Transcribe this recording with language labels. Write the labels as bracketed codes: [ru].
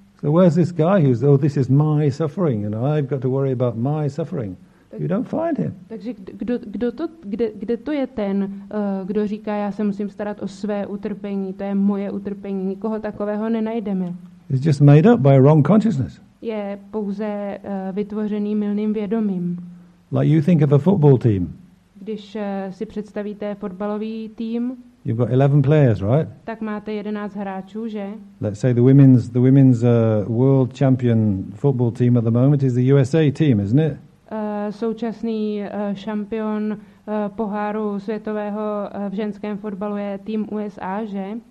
[en] So where's this guy who's, oh, this is my suffering and I've got to worry about my suffering. You don't find him. [cs] Takže kde to je ten, kdo říká, já se musím starat o své utrpení, to je moje utrpení, nikoho takového nenajdeme. [en] It's just made up by a wrong consciousness. [cs] Je pouze vytvořený mylným vědomím. [en] Like you think of a football team. [cs] Když si představíte fotbalový tým, [en] you've got 11 players, right? [cs] Tak máte 11 hráčů, že? [en] Let's say the women's world champion football team at the moment is the USA team, isn't it? [cs] Současný šampion poháru světového v ženském fotbalu je tým USA, že?